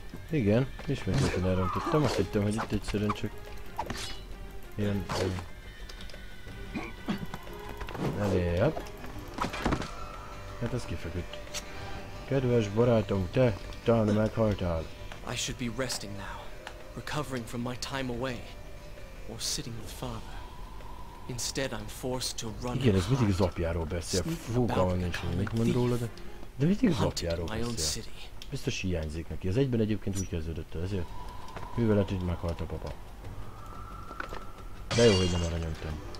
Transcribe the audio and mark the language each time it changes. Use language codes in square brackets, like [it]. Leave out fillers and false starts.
[hu] Igen, ismétlésen elrontottam, azt hittem, hogy itt egyszerűen csak ilyen... Elébb. Hát ez kifeküdt. Kedves barátom, te talán meghaltál. [en] I should be resting now, recovering from my time away, or sitting with father. Instead, I'm forced to run. [hu] Igen, ez mindig az apjáról beszél. Fogalmam nincs, hogy mit mond róla, de mindig az apjáról beszél. Biztos hiányzik neki. Az egyben egyébként úgy kezdődött, ezért művelet, hogy meghalt a papa. De jó, hogy nem arra nyomtam.